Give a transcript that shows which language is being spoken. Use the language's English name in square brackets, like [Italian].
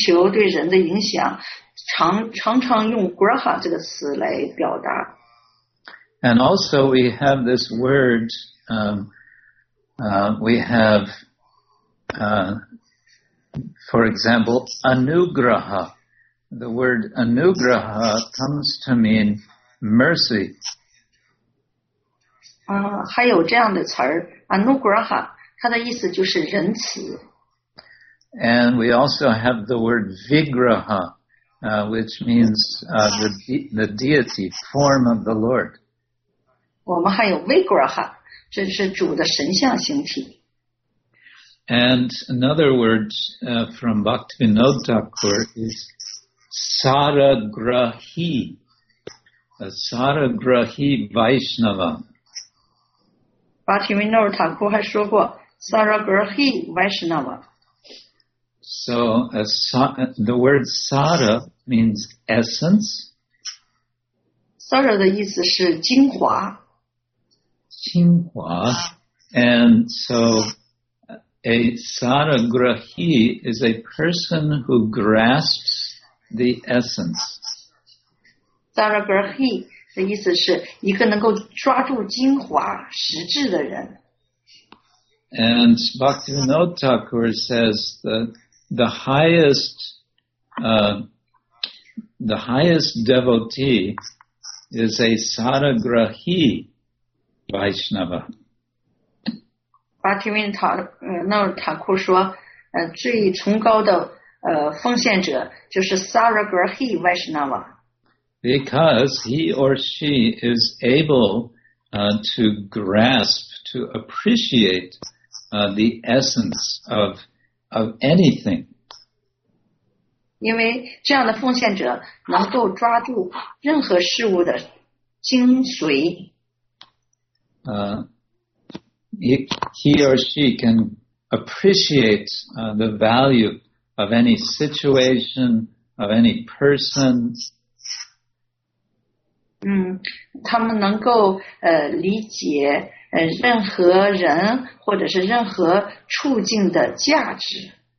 [Chinese] 在这个星象学中，关于各种各样的星球对人的影响，常常用 graha 这个词来表达。And [English] also we have this word, we have, for example, anugraha. The word anugraha comes to mean mercy. [Chinese] 还有这样的词儿 anugraha。它的意思就是仁慈。 [English] And we also have the word vigraha, which means the deity, form of the Lord. [Chinese] 我们还有vigraha, 这是主的神像形体。 [English] And another word from Bhaktivinoda Thakur is saragrahi, a saragrahi Vaishnava. [Chinese] Bhaktivinoda Thakur 还说过, Saragrahi Vaishnava. [English] So the word Sara means essence. [Chinese] Sara 的意思是精华. Jinghua. [English] And so a Saragrahi is a person who grasps the essence. [Chinese] Saragrahi 的意思是一个能够抓住精华实质的人。 [English] And Bhaktivinoda Thakur says that the highest devotee is a Saragrahi Vaishnava. [Chinese] Bhaktivinoda Thakur 说，最崇高的奉献者就是 Saragrahi Vaishnava. [English] Because he or she is able, to grasp, to appreciate, the essence of anything. [Chinese] 因为这样的奉献者能够抓住任何事物的精髓。 [English] He or she can appreciate, the value of any situation, of any person. [Chinese] 他们能够理解任何人或者是任何处境的价值。